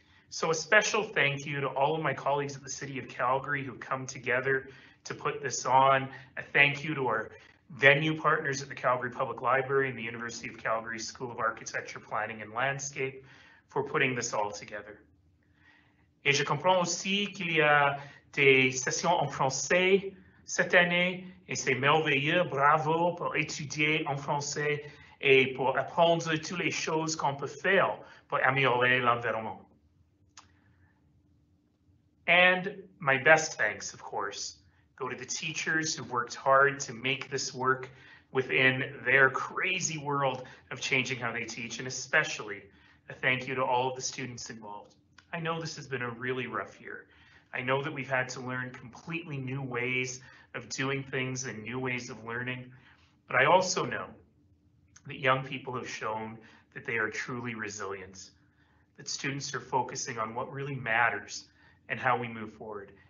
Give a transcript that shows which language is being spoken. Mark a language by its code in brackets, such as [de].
[en] So a special thank you to all of my colleagues at the City of Calgary who come together to put this on. A thank you to our venue partners at the Calgary Public Library and the University of Calgary School of Architecture, Planning and Landscape for putting this all together. [fr] Et je comprends aussi qu'il y a des sessions en français cette année et c'est merveilleux, bravo pour étudier en français et pour apprendre toutes les choses qu'on peut faire pour améliorer l'environnement. [en] And my best thanks, of course, go to the teachers who've worked hard to make this work within their crazy world of changing how they teach, and especially a thank you to all of the students involved. I know this has been a really rough year. I know that we've had to learn completely new ways of doing things and new ways of learning, but I also know that young people have shown that they are truly resilient, that students are focusing on what really matters and how we move forward.